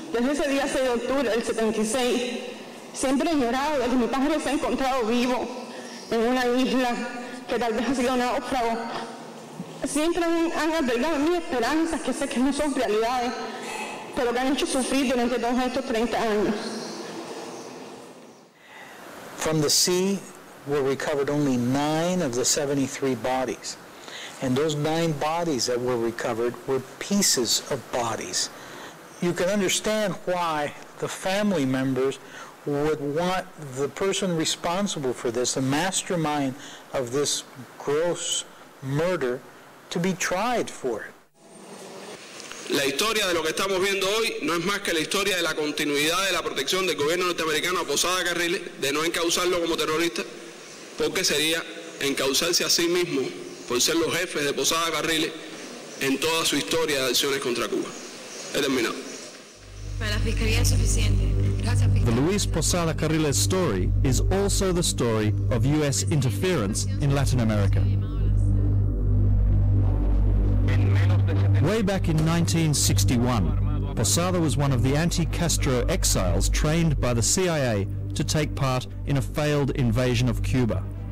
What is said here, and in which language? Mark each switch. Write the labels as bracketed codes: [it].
[es] Desde ese día 6 de octubre del 76, siempre he llorado de que mi padre se ha encontrado vivo en una isla que tal vez ha sido náufrago. Siempre han albergado mis esperanzas, que sé que no son realidades, pero que han hecho sufrir durante todos estos 30 años. [en] From the sea were recovered only 9 of the 73 bodies. And those 9 bodies that were recovered were pieces of bodies. You can understand why the family members would want the person responsible for this, the mastermind of this gross murder, to be tried for it. [es] La historia de lo que estamos viendo hoy no es más que la historia de la continuidad de la protección del gobierno norteamericano a Posada Carriles, de no encauzarlo como terrorista, porque sería encauzarse a sí mismo por ser los jefes de Posada Carriles en toda su historia de acciones contra Cuba. He terminado. Para la fiscalía es suficiente. [en] The Luis Posada Carriles story is also the story of U.S. interference in Latin America. Way back in 1961, Posada was one of the anti-Castro exiles trained by the CIA to take part in a failed invasion of Cuba.